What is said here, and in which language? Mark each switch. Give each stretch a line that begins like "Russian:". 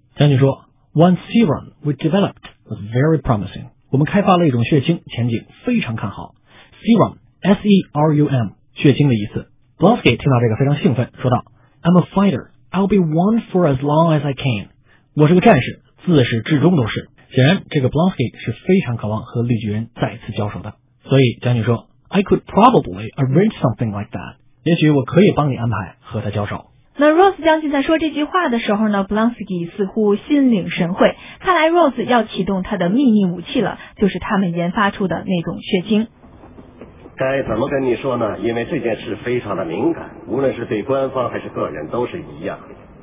Chinese: 将军说
English: One serum we developed was very promising，
Chinese: 我们开发了一种血清，前景非常看好。
English: serumSERUM
Chinese: 血清的意思。Blonsky 听到这个非常兴奋，说道
English: I'm a fighter, I'll be one for as long as I can.
Chinese: 我是个战士，自始至终都是。显然这个 Blonsky 是非常渴望和绿巨人再次交手的。所以将军说
English: I could probably arrange something like that.
Chinese: 也许我可以帮你安排和他交手。那 Rose 将军在说这句话的时候呢， Blonsky 似乎心领神会，看来 Rose 要启动他的秘密武器了，就是他们研发出的那种血清。该怎么跟你说呢？因为这件事非常的敏感，无论是对官方还是个人都是一样的。